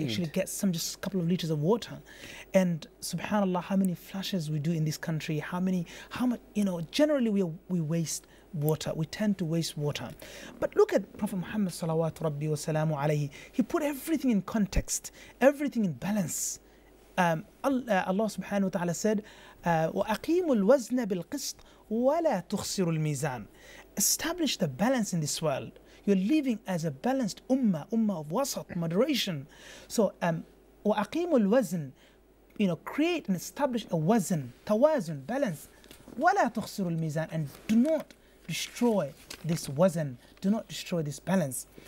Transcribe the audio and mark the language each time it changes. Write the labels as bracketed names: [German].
[English] To actually get some just a couple of liters of water, and subhanAllah, how many flushes we do in this country? How much? You know, generally we waste water. We tend to waste water. But look at Prophet Muhammad salawat rabbi wa salamu alayhi. He put everything in context, everything in balance. Allah subhanahu wa ta'ala said, [Arabic] وَأَقِيمُ الْوَزْنَ بِالْقِسْطِ وَلَا تُخْسِرُ الْمِيزَانِ. [English] Establish the balance in this world. You're living as a balanced ummah of wasat, moderation. So, [Arabic] وَأَقِيمُ الْوَزْنِ, [English] you know, create and establish a wazn, tawazun, balance. [Arabic] وَلَا تُخْسِرُ الْمِيزَانِ, [English] and do not destroy this wazan, do not destroy this balance.